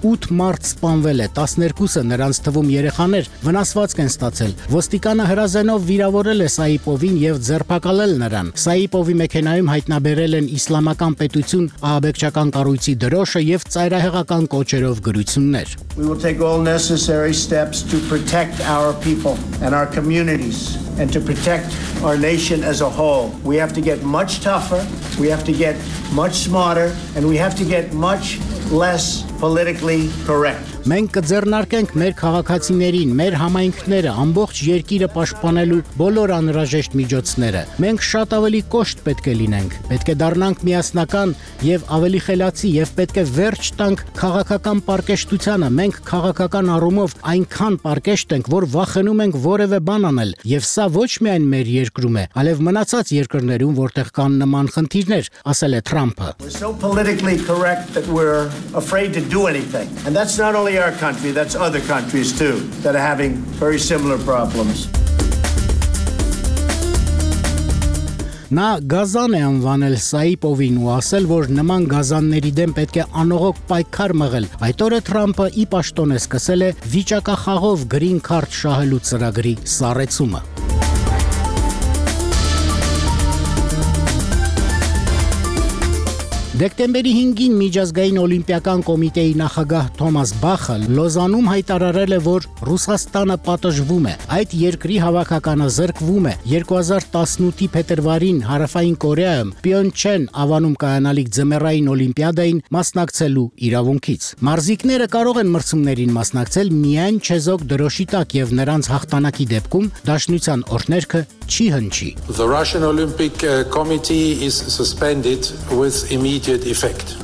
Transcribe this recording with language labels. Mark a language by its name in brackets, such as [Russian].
[Armenian] 8 մարդ սպանվել է, 12-ը, նրանց թվում երեխաներ, վնասվածք են ստացել։ Ոստիկանը հրազենով վիրավորել է Սայիպովին և ձերբակալել նրան։ Սայիպովի մեքենայում հայտնաբերել են Իսլամական պետություն ահաբեկչական կառույցի Ռոշա եւ ծայրահեղական կոչերով գրություններ։ [English] We will take all necessary steps to protect our people and our communities and to protect our nation as a whole. We have to get much tougher, we have to get much smarter, and we have to get much less politically correct. [Armenian] Մենք կձեռնարկենք մեր քաղաքացիներին, մեր համայնքները, ամբողջ երկիրը պաշտպանելու բոլոր անհրաժեշտ միջոցները։ Մենք շատ ավելի կոշտ պետք է լինենք, պետք է դառնանք միասնական եւ ավելի խելացի եւ պետք է վերջ տանք քաղաքական պարկեշտությանը։ Մենք քաղաքական առումով այնքան պարկեշտ ենք, որ վախենում ենք որևէ բան անել, եւ սա ոչ միայն մեր երկրում է, այլեւ մնացած երկրներում, որտեղ կան նման խնդիրներ, ասել է Թրամփը։ [English] We're so politically correct that we're afraid to do anything. And that's not only our country, that's other countries too that are having very similar problems. [Armenian] Նա գազան է անվանել Սայիպովին ու ասել, որ նման գազանների դեմ պետք է անողոք պայքար մղել։ Այդ օրը Թրամփը ի պաշտոն է սկսել է վիճակախաղով գրին քարտ շահելու ծրագրի սառեցումը։ Դեկտեմբերի 5-ին միջազգային օլիմպիական կոմիտեի նախագահ Թոմաս Բախը Լոզանում հայտարարել է, որ Ռուսաստանը պատժվում է, այդ երկրի հավաքականը զրկվում է 2018-ի փետրվարին Հարավային Կորեայում Պյոնչեն ավանում կայանալիք ձմեռային օլիմպիադային մասնակցելու իրավունքից։ Մարզիկները կարող են մրցումներին մասնակցել միայն չեզոք դրոշի տակ եւ նրանց հաղթանակի դեպքում դաշնության օրհներքը չի հնչի։ [English] The Russian Olympic Committee is suspended with immediate effect.